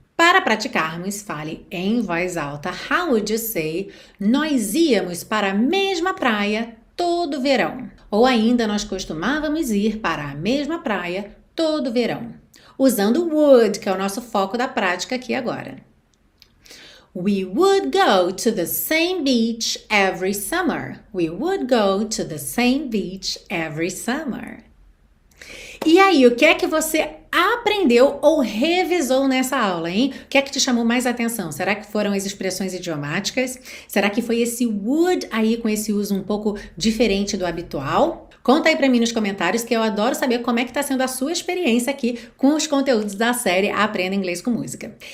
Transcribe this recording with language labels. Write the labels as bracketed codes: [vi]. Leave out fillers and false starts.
[pt] Para praticarmos, fale em voz alta. [en] How would you say? [pt] Nós íamos para a mesma praia todo verão. Ou ainda, nós costumávamos ir para a mesma praia todo verão. Usando would, que é o nosso foco da prática aqui agora. [en] We would go to the same beach every summer. We would go to the same beach every summer. [pt] E aí, o que é que você aprendeu ou revisou nessa aula, hein? O que é que te chamou mais atenção? Será que foram as expressões idiomáticas? Será que foi esse would aí com esse uso um pouco diferente do habitual? Conta aí pra mim nos comentários que eu adoro saber como é que tá sendo a sua experiência aqui com os conteúdos da série Aprenda Inglês com Música.